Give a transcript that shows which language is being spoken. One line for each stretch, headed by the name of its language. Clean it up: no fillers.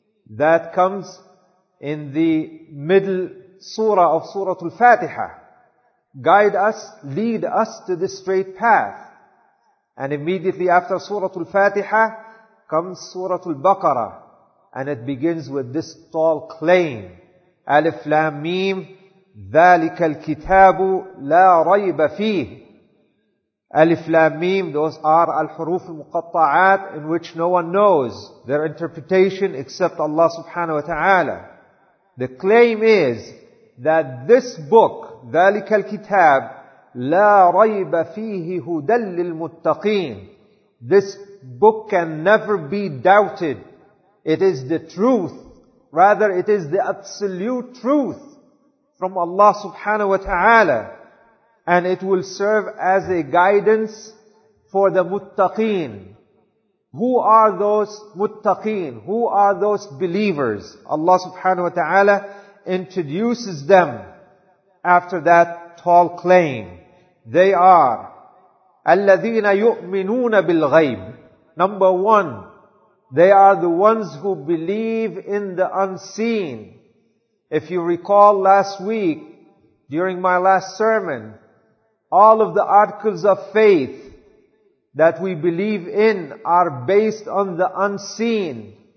English: That comes in the middle Surah of Surah Al-Fatiha. Guide us, lead us to the straight path. And immediately after Surah Al-Fatiha comes Surah Al-Baqarah. And it begins with this tall claim.
Arabic: Alif Lam Mim, ذَلِكَ الْكِتَابُ لَا رَيْبَ فِيهِ.
English: Alif Lam Mim, those are al-huruf al-muqatta'at in which no one knows their interpretation except Allah subhanahu wa ta'ala. The claim is that this book,
Arabic: ذَلِكَ الْكِتَابُ لَا رَيْبَ فِيهِ هُدًى لِلْمُتَّقِينَ.
English: This book can never be doubted. It is the truth. Rather, it is the absolute truth from Allah subhanahu wa ta'ala. And it will serve as a guidance for the muttaqeen. Who are those muttaqeen? Who are those believers? Allah subhanahu wa ta'ala introduces them after that tall claim. They are
Arabic: الَّذِينَ يُؤْمِنُونَ بِالْغَيْبِ.
English: Number one, they are the ones who believe in the unseen. If you recall last week, during my last sermon, all of the articles of faith that we believe in are based on the unseen.